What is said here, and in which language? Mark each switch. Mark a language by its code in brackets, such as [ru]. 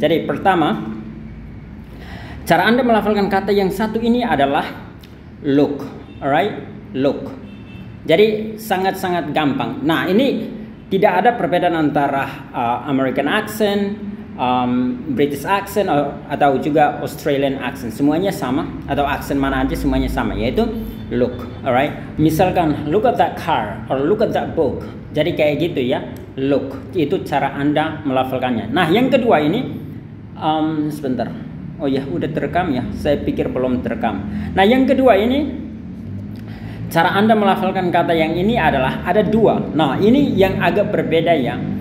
[id] Jadi pertama, cara Anda melafalkan kata yang satu ini adalah look, alright, look. Jadi sangat-sangat gampang. Nah, ini tidak ada perbedaan antara American accent, British accent, atau juga Australian accent. Semuanya sama, atau aksen mana aja semuanya sama, yaitu look, alright. Misalkan [en] look at that car or look at that book. [id] Jadi kayak gitu ya. Look, itu cara Anda melafalkannya. Nah, yang kedua ini sebentar. Oh ya, udah terekam ya. Saya pikir belum terekam. Nah, yang kedua ini cara Anda melafalkan kata yang ini adalah ada dua. Nah, ini yang agak berbeda ya.